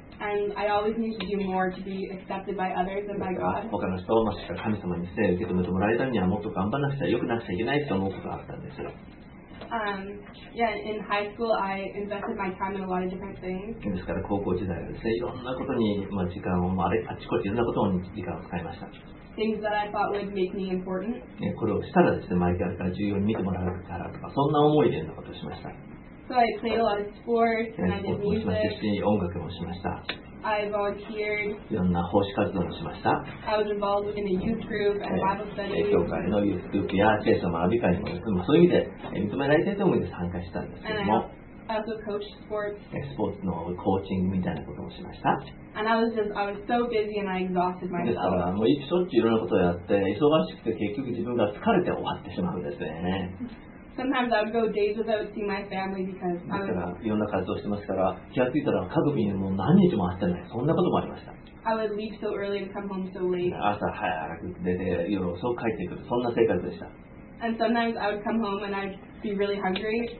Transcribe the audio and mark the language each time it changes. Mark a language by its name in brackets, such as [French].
[English] And I always need to do more to be accepted by others and by God. [Japanese] 他の人もしか神様にして受け止めてもらえたにはもっと頑張らなくちゃ良くなくちゃいけないと思うことがあったんですよ。 [English] Yeah, in high school, I invested my time in a lot of different things. [Japanese] ですから高校時代はですね、いろんなことに、まあ、時間を、まあ、あちこちいろんなことに時間を使いました。 [English] Things that I thought would make me important. [Japanese] これをしたらですね、周りから重要に見てもらえるからとか、そんな思いでようなことをしました。 [English] So I played a lot of sports and I did music. [Japanese] 私もしました。音楽もしました。 [English] I volunteered. [Japanese] いろんな奉仕活動もしました。 [English] I was involved in a youth group and Bible study. [Japanese] 教会のユースグループや聖書学び会にも、そういう意味で認められていると思うので参加したんですけども。 [English] And I also coached sports. [Japanese] スポーツのコーチングみたいなこともしました。 [English] And I was so busy and I exhausted myself. [Japanese] ですから、もういっしょっちゅういろんなことをやって、忙しくて結局自分が疲れて終わってしまうんですね。 [English] Sometimes I would go days without seeing my family because I was. [Japanese] いろんな活動してますから、気がついたら家族にもう何日も会ってない。そんなこともありました。 [English] I would leave so early and come home so late. [Japanese] 朝早く出て夜遅く帰ってくる。そんな生活でした。 [English] And sometimes I would come home and I'd be really hungry.